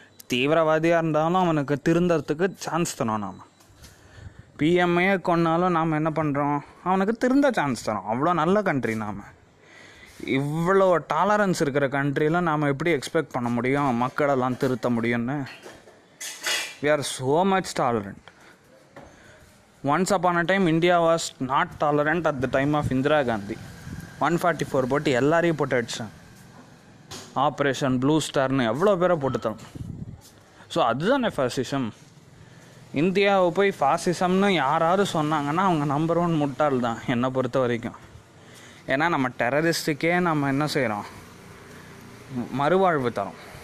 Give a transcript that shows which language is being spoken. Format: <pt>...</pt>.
<ta>தீவிரவாதியாக இருந்தாலும் அவனுக்கு திருந்தறதுக்கு சான்ஸ் தரோம். நாம் பிஎம்ஏ கொன்னாலும் நாம் என்ன பண்ணுறோம், அவனுக்கு திருந்த சான்ஸ் தரோம். அவ்வளோ நல்ல கண்ட்ரி நாம். இவ்வளோ டாலரன்ஸ் இருக்கிற கண்ட்ரியெலாம் நாம் எப்படி எக்ஸ்பெக்ட் பண்ண முடியும் மக்களெல்லாம் திருத்த முடியும்னு?</ta> <en>we are so much tolerant. Once upon a time, India was not tolerant at the time of Indira Gandhi.</en> <ta>144 போட்டு எல்லாரையும் போட்டாச்சு. ஆப்ரேஷன் ப்ளூ ஸ்டார்னு எவ்வளோ பேரை போட்டுத்தரும். ஸோ அதுதானே ஃபாசிசம். இந்தியாவை போய் ஃபாசிசம்னு யாராவது சொன்னாங்கன்னா அவங்க நம்பர் ஒன் முட்டாள் தான் என்னை பொறுத்த வரைக்கும். ஏன்னா நம்ம டெரரிஸ்ட்டுக்கே நம்ம என்ன செய்கிறோம், மறுவாழ்வு தரோம்.</ta>